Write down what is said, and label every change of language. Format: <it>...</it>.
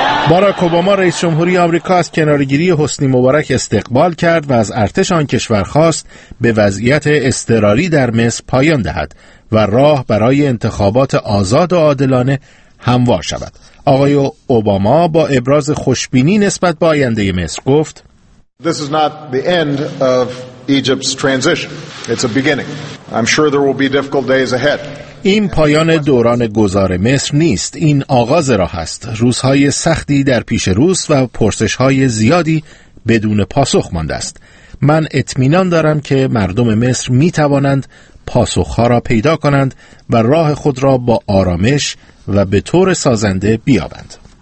<fa>باراک اوباما رئیس جمهوری آمریکا از کنارگیری حسنی مبارک استقبال کرد و از ارتش آن کشور خواست به وضعیت اضطراری در مصر پایان دهد و راه برای انتخابات آزاد و عادلانه هموار شود. آقای اوباما با ابراز خوشبینی نسبت به آینده مصر گفت:</fa> <en>This is not the end of Egypt's transition. It's a beginning. I'm sure there will be difficult days ahead.</en> <fa>این پایان دوران گذار مصر نیست، این آغاز راه است. روزهای سختی در پیش روست و پرسش‌های زیادی بدون پاسخ مانده است. من اطمینان دارم که مردم مصر می‌توانند پاسخ‌ها را پیدا کنند و راه خود را با آرامش و به طور سازنده بیابند.</fa>